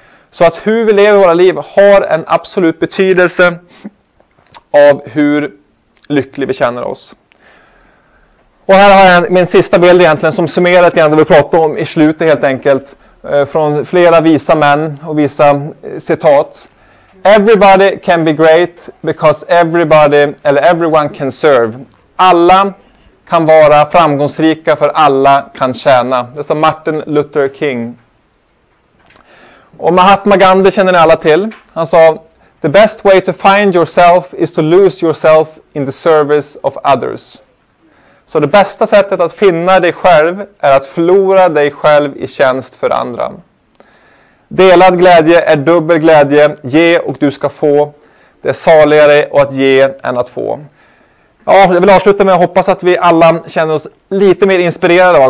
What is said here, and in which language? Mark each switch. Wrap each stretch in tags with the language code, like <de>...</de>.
<sv>Så att hur vi lever våra liv har en absolut betydelse av hur lycklig vi känner oss. Och här har jag min sista bild egentligen som summerar det vi pratade om i slutet helt enkelt. Från flera visa män och visa citat.</sv> <en>Everybody can be great because everybody,</en> <sv>eller</sv> <en>everyone can serve.</en> <sv>Alla kan vara framgångsrika för alla kan tjäna. Det sa Martin Luther King. Och Mahatma Gandhi känner ni alla till. Han sa,</sv> <en>the best way to find yourself is to lose yourself in the service of others.</en> <sv>Så det bästa sättet att finna dig själv är att förlora dig själv i tjänst för andra. Delad glädje är dubbel glädje. Ge och du ska få. Det är saligare att ge än att få. Ja, jag vill avsluta med att hoppas att vi alla känner oss lite mer inspirerade.</sv>